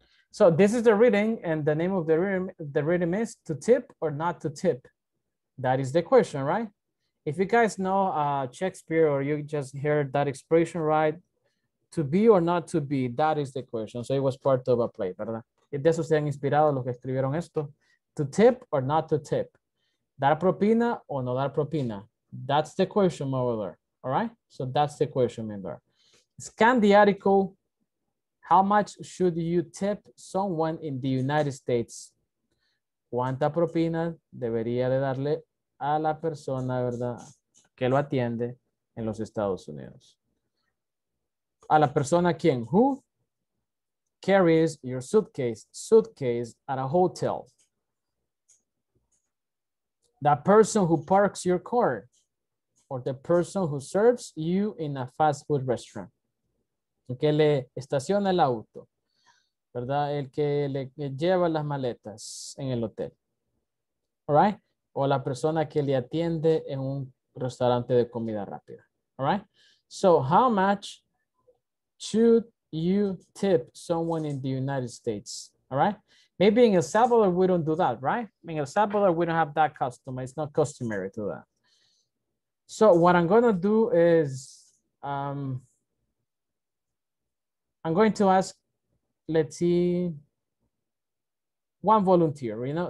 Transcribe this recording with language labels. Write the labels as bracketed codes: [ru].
[en] So this is the reading, and the name of the reading is to tip or not to tip. That is the question, right? If you guys know Shakespeare, or you just heard that expression, right? To be or not to be, that is the question. So it was part of a play, [es] ¿verdad? De eso se han inspirado los que escribieron esto. [en] To tip or not to tip. [es] Dar propina o no dar propina. [en] That's the question over there. All right? So that's the question in there. Scan the article. How much should you tip someone in the United States? [es] ¿Cuánta propina debería de darle a la persona, verdad, que lo atiende en los Estados Unidos? ¿A la persona quién? [en] Who? Carries your suitcase at a hotel. The person who parks your car, or the person who serves you in a fast food restaurant. [es] El que le estaciona el auto, ¿verdad? El que le lleva las maletas en el hotel. [en] All right? [es] O la persona que le atiende en un restaurante de comida rápida. [en] All right? So how much should you tip someone in the United States, all right? Maybe in El Salvador, we don't do that, right? In El Salvador, we don't have that custom. It's not customary to that. So what I'm gonna do is, I'm going to ask, let's see, one volunteer, you know?